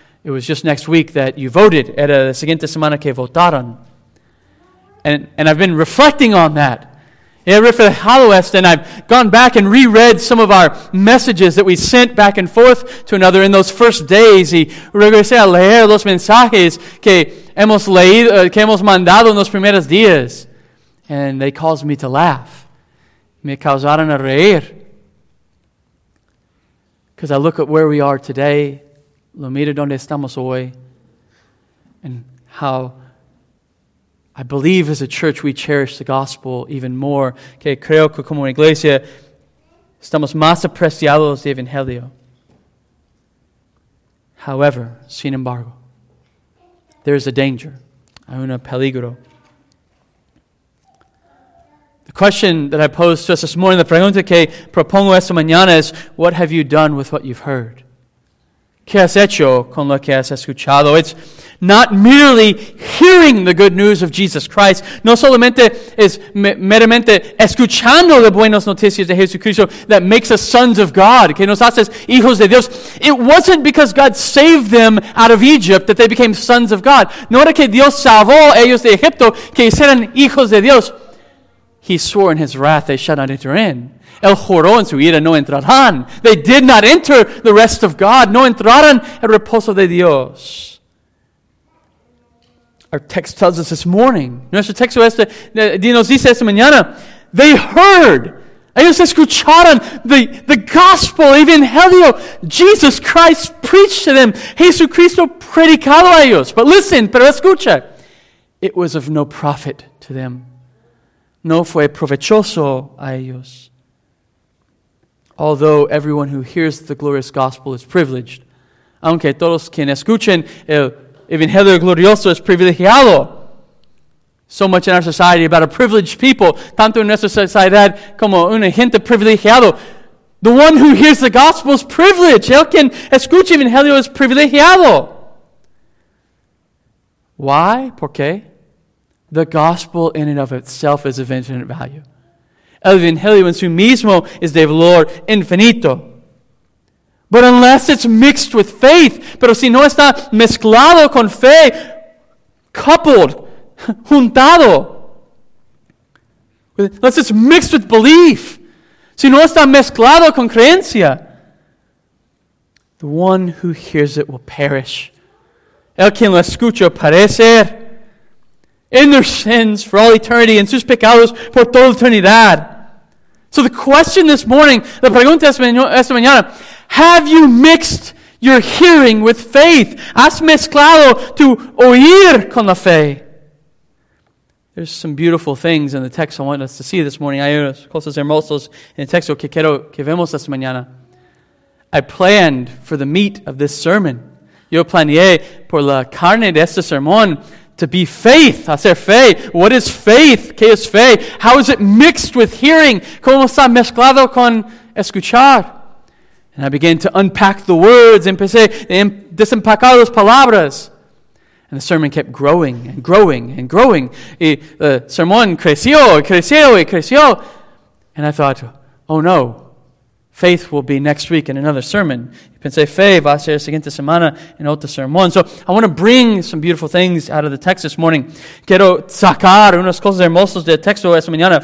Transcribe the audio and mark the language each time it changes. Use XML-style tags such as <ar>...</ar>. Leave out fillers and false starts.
<en>It was just next week that you voted.</en> <es>Era la siguiente semana que votaron.</es> <en>And I've been reflecting on that.</en> <es>He reflejado esto,</es> <en>and I've gone back and reread some of our messages that we sent back and forth to another in those first days.</en> <es>Y regresé a leer los mensajes que hemos mandado en los primeros días.</es> <en>And they caused me to laugh.</en> <es>Me causaron a reír.</es> <en>Because I look at where we are today,</en> <es>lo miro donde estamos hoy,</es> <en>and how I believe as a church we cherish the gospel even more.</en> <es>Que creo que como iglesia estamos más apreciados de evangelio.</es> <en>However,</en> <es>sin embargo,</es> <en>there is a danger.</en> <es>Hay un peligro.</es> <en>The question that I posed to us this morning, the</en> <es>pregunta que propongo esta mañana</es> <en>is, what have you done with what you've heard?</en> <es>¿Qué has hecho con lo que has escuchado?</es> <en>It's not merely hearing the good news of Jesus Christ.</en> <es>No solamente es meramente escuchando las buenas noticias de Jesucristo</es> <en>that makes us sons of God,</en> <es>que nos hace hijos de Dios.</es> <en>It wasn't because God saved them out of Egypt that they became sons of God.</en> <es>No era que Dios salvó ellos de Egipto que hicieran hijos de Dios.</es> <en>He swore in his wrath they shall not enter in.</en> <es>El juró en su ira no entrarán.</es> <en>They did not enter the rest of God.</en> <es>No entrarán el reposo de Dios.</es> <en>Our text tells us this morning.</en> <es>Nuestro texto nos dice esta mañana.</es> <en>They heard.</en> <es>Ellos escucharon</es> <en>the gospel, evangelio. Jesus Christ preached to them.</en> <es>Jesucristo predicado a ellos.</es> <en>But listen,</en> <es>pero escucha.</es> <en>It was of no profit to them.</en> <es>No fue provechoso a ellos.</es> <en>Although everyone who hears the glorious gospel is privileged.</en> <es>Aunque todos quienes escuchen el evangelio glorioso es privilegiado.</es> <en>So much in our society about a privileged people.</en> <es>Tanto en nuestra sociedad como una gente privilegiado.</es> <en>The one who hears the gospel is privileged.</en> <es>El quien escucha el evangelio es privilegiado.</es> <en>Why?</en> <es>¿Por qué?</es> <en>The gospel in and of itself is of infinite value.</en> <es>El evangelio en su mismo es de valor infinito.</es> <en>But unless it's mixed with faith,</en> <es>pero si no está mezclado con fe,</es> <en>coupled,</en> <es>juntado,</es> <en>unless it's mixed with belief,</en> <es>si no está mezclado con creencia,</es> <en>the one who hears it will perish.</en> <es>El quien lo escucha perecer.</es> <en>In their sins for all eternity,</en> <es>en sus pecados por toda eternidad.</es> <en>So the question this morning,</en> <es>la pregunta esta mañana,</es> <en>have you mixed your hearing with faith?</en> <es>¿Has mezclado tu oír con la fe?</es> <en>There's some beautiful things in the text I want us to see this morning.</en> <es>Hay unas cosas hermosas en el texto que quiero que vemos esta mañana.</es> <en>I planned for the meat of this sermon.</en> <es>Yo planeé por la carne de este sermón</es> <en>to be faith,</en> <es>hacer fe.</es> <en>What is faith?</en> <es>¿Qué es fe?</es> <en>How is it mixed with hearing?</en> <es>¿Cómo está mezclado con escuchar?</es> <en>And I began to unpack the words.</en> <es>Empecé a desempacar las palabras.</es> <en>And the sermon kept growing and growing and growing.</en> <es>Y el sermón creció, creció y creció.</es> <en>And I thought, oh no, faith will be next week in another sermon.</en> <es>Pensé, fe va a ser la siguiente semana en otro sermón.</es> <en>So I want to bring some beautiful things out of the text this morning.</en> <es>Quiero sacar unas cosas hermosas del texto esta mañana.</es>